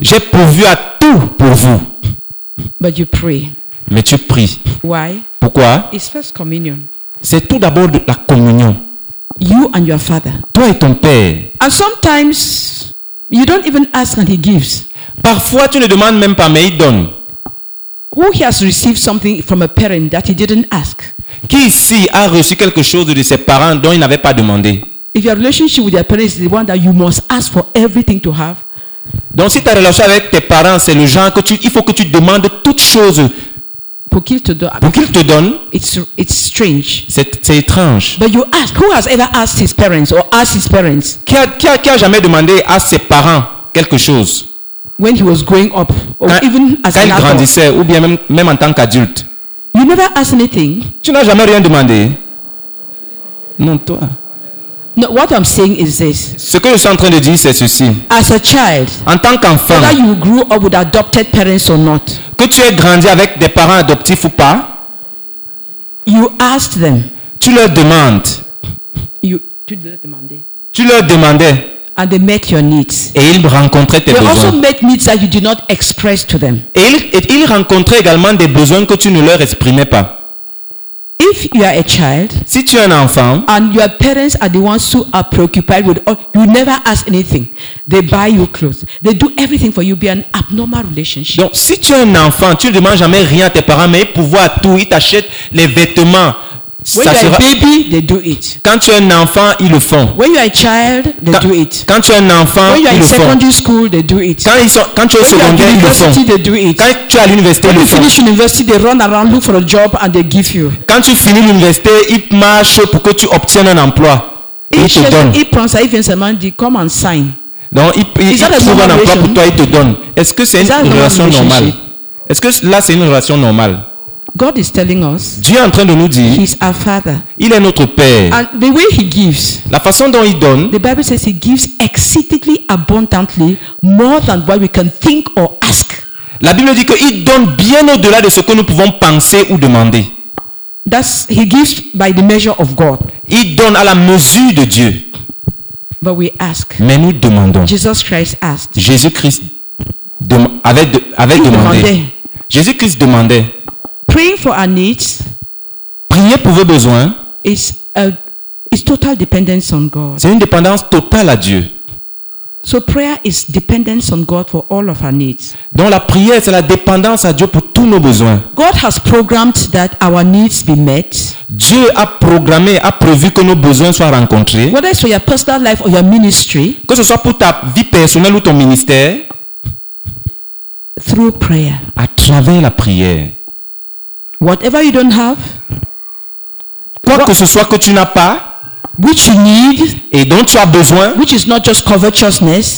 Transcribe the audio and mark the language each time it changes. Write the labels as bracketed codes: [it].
[fr] J'ai pourvu à tout pour vous. [en] But you pray. [fr] Mais tu pries. [en] Why? [fr] Pourquoi? [en] It's first communion. [fr] C'est tout d'abord la communion. [en] You and your father. [fr] Toi et ton père. [en] And sometimes you don't even ask and he gives. [fr] Parfois tu ne demandes même pas mais il donne. [en] Who has received something from a parent that he didn't ask? [fr] Qui ici a reçu quelque chose de ses parents dont il n'avait pas demandé? [en] If your relationship with your parents is the one that you must ask for everything to have. [fr] Donc si ta relation avec tes parents c'est le genre que tu il faut que tu demandes toutes choses pour qu'il te donne. [en] It's strange. [fr] C'est étrange. [en] But you ask, who has ever asked his parents or asked his parents? [fr] Qui a jamais demandé à ses parents quelque chose? [en] When he was growing up, or [fr] quand, [en] even as [fr] quand [en] an [fr] il grandissait, [en] adult, [fr] ou bien même en tant qu'adulte. [en] You never asked anything. [fr] Tu n'as jamais rien demandé. Non, toi. [en] No, what I'm saying is this. [fr] Ce que je suis en train de dire, c'est ceci. [en] As a child, [fr] en tant qu'enfant, [en] whether you grew up with adopted parents or not, [fr] que tu aies grandi avec des parents adoptifs ou pas, [en] you asked them. [fr] Tu leur demandes. Tu leur demandais. [en] And they met your needs. [fr] Et ils rencontraient tes [en] they [fr] besoins. [en] Also met needs that you did not express to them. [fr] Et ils rencontraient également des besoins que tu ne leur exprimais pas. [en] If you are a child, [fr] si tu es un enfant, [en] and your parents are the ones who are preoccupied with, oh, you never ask anything. They buy you clothes. They do everything for you. Be an abnormal relationship. [fr] Donc, si tu es un enfant, tu ne demandes jamais rien à tes parents, mais ils pourvoient tout. Ils t'achètent les vêtements. [en] When you are a baby, they do it. [fr] Quand tu es un enfant, ils le font. [en] When you are a child, they do it. [fr] Quand tu es un enfant, ils le font. [en] When you are in secondary school, they do it. [fr] Quand tu es au secondaire, ils le font. [en] They do it. [fr] Quand tu es à l'université, ils le font. When you finish university, they run around look for a job and they give you. Quand tu finis l'université, ils marchent pour que tu obtiennes un emploi. Ils te donnent. Il prend ça, il vient seulement dit, [en] come and sign. [fr] Donc il trouve un emploi pour toi, il te donne. Est-ce que c'est une relation normale? Est-ce que là c'est une relation normale? [en] God is telling us, [fr] Dieu est en train de nous dire, [en] he is our father. [fr] Il est notre père. [en] And the way he gives, [fr] la façon dont il donne, [en] the Bible says he gives exceedingly abundantly, more than what we can think or ask. [fr] La Bible dit qu'il donne bien au-delà de ce que nous pouvons penser ou demander. [en] That's he gives by the measure of God. [fr] Il donne à la mesure de Dieu. [en] But we ask. [fr] Mais nous demandons. [en] Jesus Christ asked. [fr] Jésus-Christ demandait. Jésus-Christ demandait. [en] Praying for our needs, [fr] prier pour vos besoins, [en] is total dependence on God. [fr] C'est une dépendance totale à Dieu. [en] So prayer is dependence on God for all of our needs. [fr] Donc la prière c'est la dépendance à Dieu pour tous nos besoins. [en] God has programmed that our needs be met. [fr] Dieu a programmé, a prévu que nos besoins soient rencontrés. [en] Whether it's for your personal life or your ministry, [fr] que ce soit pour ta vie personnelle ou ton ministère, [en] through prayer, [fr] à travers la prière. [en] Whatever you don't have, [fr] quoi que ce soit que tu n'as pas, [en] which you need, [fr] et dont tu as besoin, [en] which is not just covetousness,